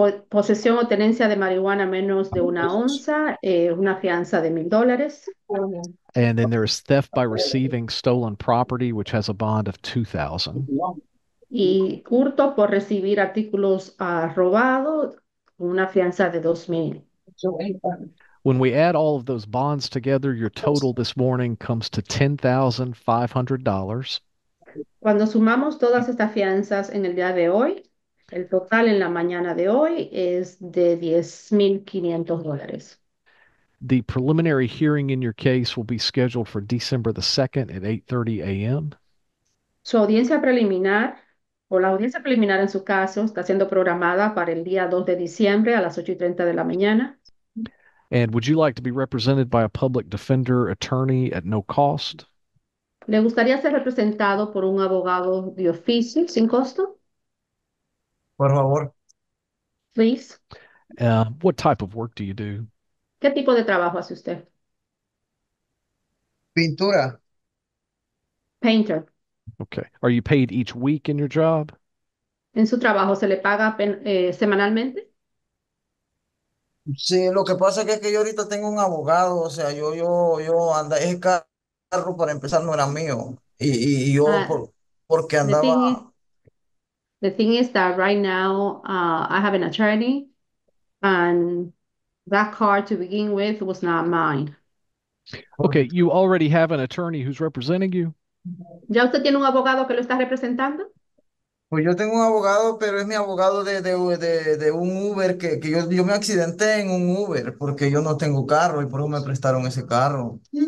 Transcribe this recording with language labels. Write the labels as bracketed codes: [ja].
[es] Posesión o tenencia de marihuana menos de una onza, una fianza de $1,000. [en] And then there is theft by receiving stolen property, which has a bond of 2,000. [es] Y hurto por recibir artículos robados, una fianza de 2.000. [en] When we add all of those bonds together, your total this morning comes to $10,500. [es] Cuando sumamos todas estas fianzas en el día de hoy, el total en la mañana de hoy es de $10,500. [en] The preliminary hearing in your case will be scheduled for December the 2nd at 8:30 a.m. [es] Su audiencia preliminar o la audiencia preliminar en su caso está siendo programada para el día 2 de diciembre a las 8:30 de la mañana. [en] And would you like to be represented by a public defender attorney at no cost? [es] ¿Le gustaría ser representado por un abogado de oficio sin costo? Por favor. [en] Please. What type of work do you do? [es] ¿Qué tipo de trabajo hace usted? Pintura. [en] Painter. Okay. Are you paid each week in your job? [es] ¿En su trabajo se le paga semanalmente? Sí, lo que pasa es que yo ahorita tengo un abogado, o sea, yo ando, ese carro para empezar no era mío, y yo Ah, porque andaba. [en] the thing is that right now I have an attorney and that car to begin with was not mine. Okay, you already have an attorney who's representing you. [es] ¿Ya usted tiene un abogado que lo está representando? Pues yo tengo un abogado, pero es mi abogado de un Uber que yo me accidenté en un Uber porque yo no tengo carro y por eso me prestaron ese carro.